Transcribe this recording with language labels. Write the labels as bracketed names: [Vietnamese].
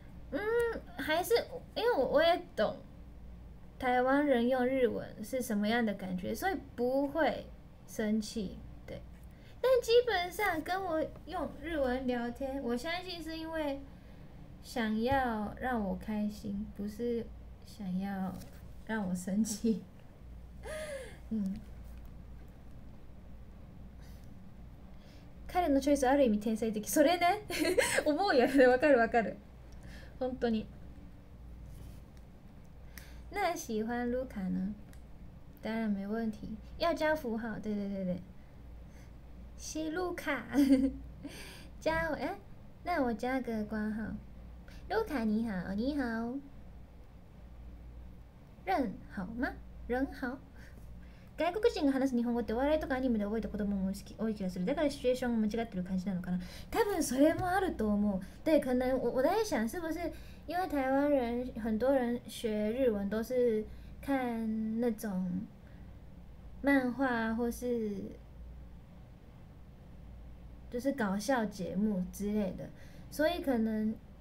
[Chinese] 嗯，还是因为我也懂台湾人用日文是什么样的感觉，所以不会生气。对，但基本上跟我用日文聊天，我相信是因为。想要让我开心，不是想要让我生气。 [Japanese] 嗯，彼のチョイスある意味天才的。それね、思うよね。わかるわかる。本当に。 [Chinese] 那喜欢卢卡呢？当然没问题。要加符号，对对对对。西卢卡，加我哎、欸，那我加个括号。卢卡你好，你好，人好吗？人好。 [Japanese] 外国人が話す日本語ってお笑いとかアニメで覚えた子供も多い気がする。だからシチュエーションが間違ってる感じなのかな。多分それもあると思う。 [Chinese] 对，可能我在想是不是因为台湾人很多人学日文都是看那种漫画或是就是搞笑节目之类的，所以可能。